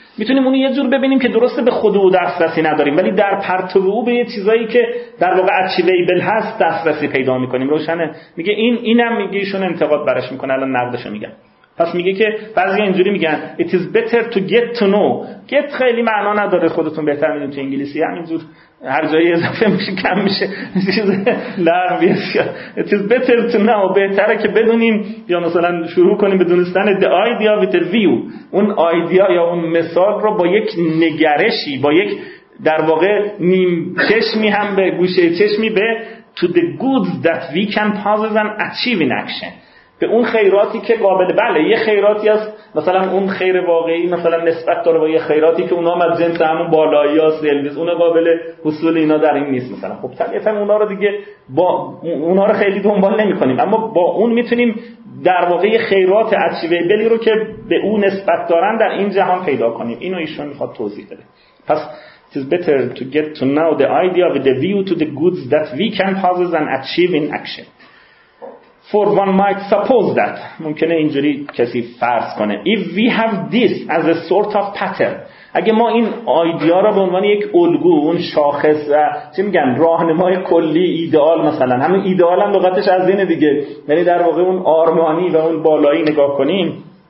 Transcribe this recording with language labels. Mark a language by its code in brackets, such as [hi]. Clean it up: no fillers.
[fa] میتونیم اونو یه جور ببینیم که درسته به خود او دسترسی نداریم، ولی در پرتو او به یه چیزایی که در واقع اچیویبل هست دسترسی پیدا میکنیم. روشنه؟ میگه اینم میگه ایشون انتقاد برش میکنه، الان نقدشو میگم. پس میگه که بعضی اینجوری میگن [en] it is better to get to know. [fa] get خیلی معنا نداره، خودتون بهتر میدونید، تو انگلیسی همینجور هر جایی اضافه میشه کم میشه چیز لغویه. [en] it is better to know، [fa] بهتره که بدونیم یا مثلا شروع کنیم به دونستن [en] the idea with a view، [fa] اون ایده یا اون مثال رو با یک نگرشی، با یک در واقع نیم چشمی، هم به گوشه چشمی، به [en] to the goods that we can possess and achieve in action، [fa] به اون خیراتی که قابل، بله یه خیراتی هست مثلا اون خیر واقعی مثلا نسبت داره با یه خیراتی که اونا هم از جنس همون بالایی هست دلویز، اونا قابل حصول اینا در این نیست مثلا. خب طبیعتا اونا رو دیگه با اونا رو خیلی دنبال نمی کنیم، اما با اون میتونیم در واقع یه خیرات اچیویبلی رو که به اون نسبت دارن در این جهان پیدا کنیم. اینو ایشون میخواد توضیح بده. پس [en] it is better to get to know the idea with the view to the goods that we can possess and achieve in action. For one might suppose that، [fa] ممکنه اینجوری کسی فرض کنه، [en] if we have this as a sort of pattern، [fa] اگه ما این ایده ها را به عنوان یک الگو، اون شاخص و چی میگن راهنمای کلی، ایدئال مثلا، همین ایدئال هم لغتش از اینه دیگه، یعنی در واقع اون آرمانی و اون بالایی نگاه کنیم،